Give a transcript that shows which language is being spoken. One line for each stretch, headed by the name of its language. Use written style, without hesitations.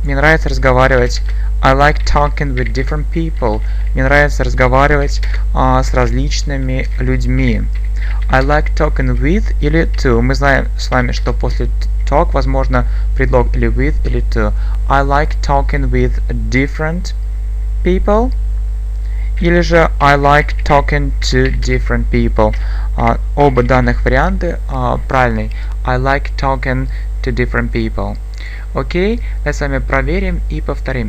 Russian: Мне нравится разговаривать.
English: I like talking with different people.
Russian: Мне нравится разговаривать с различными людьми.
English: I like talking with
Russian: или
English: to.
Russian: Мы знаем с вами, что после talk возможно предлог или with или to.
English: I like talking with different people.
Russian: Или же
English: I like talking to different people.
Russian: Оба данных варианты правильные.
English: I like talking to different people.
Russian: Окей, давайте с вами проверим и повторим.